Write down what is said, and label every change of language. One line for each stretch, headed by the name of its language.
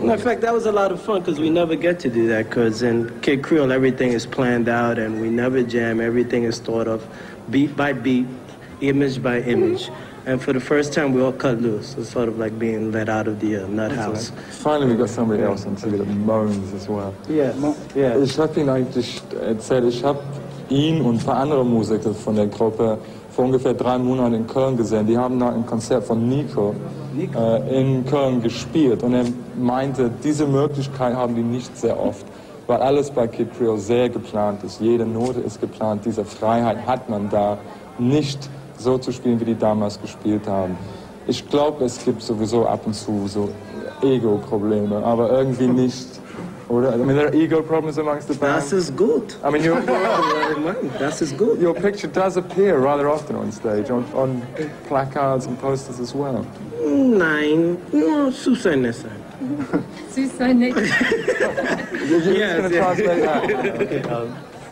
English: No, in fact, that was a lot of fun, because we never get to do that, because in Kid Creole, everything is planned out, and we never jam. Everything is thought of, beat by beat, image by image. And for the first time, we all cut loose. It's sort of like being let out of the nut house. Right. Finally, we got somebody else on TV that moans as well. Yeah.
German: Ich habe ihn eigentlich erzählt, ich habe ihn und ein paar andere Musiker von der Gruppe vor ungefähr 3 Monaten in Köln gesehen. Die haben da ein Konzert von Nico in Köln gespielt. Und er meinte, diese Möglichkeit haben die nicht sehr oft, weil alles bei Kid Creole sehr geplant ist. Jede Note ist geplant. Diese Freiheit hat man da nicht, so zu spielen, wie die damals gespielt haben. Ich glaube, es gibt sowieso ab und zu so Ego-Probleme, aber irgendwie nicht, oder?
English: I mean, there are ego problems amongst the band.
German: Das ist gut.
English: I mean, your,
German: das ist gut.
English: Your picture does appear rather often on stage, on placards and posters as well.
German: Nein, nur süß sein lassen. Süß sein lassen.
English: You're just going to translate that.